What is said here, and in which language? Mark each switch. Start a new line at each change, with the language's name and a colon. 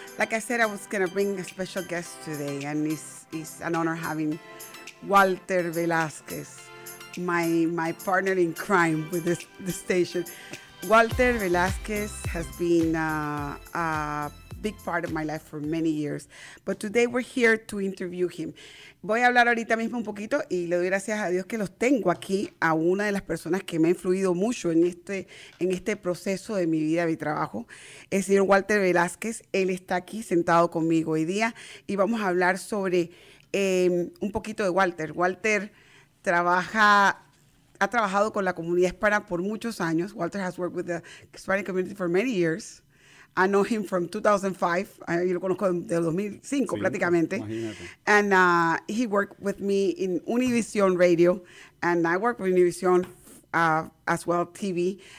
English: Like I said, I was going to bring a special guest today, and it's an honor having Walter Velazquez, my partner in crime with the station. Walter Velazquez has been a big part of my life for many years, but today we're here to interview him.
Spanish: Voy a hablar ahorita mismo un poquito y le doy gracias a Dios que los tengo aquí a una de las personas que me ha influido mucho en este proceso de mi vida, mi trabajo. El señor Walter Velazquez, él está aquí sentado conmigo hoy día y vamos a hablar sobre un poquito de Walter. Walter ha trabajado con la comunidad hispana por muchos años.
English: Walter has worked with the Hispanic community for many years. I know him from 2005.
Spanish: Yo lo conozco desde 2005, sí, prácticamente. Imagínate.
English: And he worked with me in Univision Radio, and I work with Univision as well TV.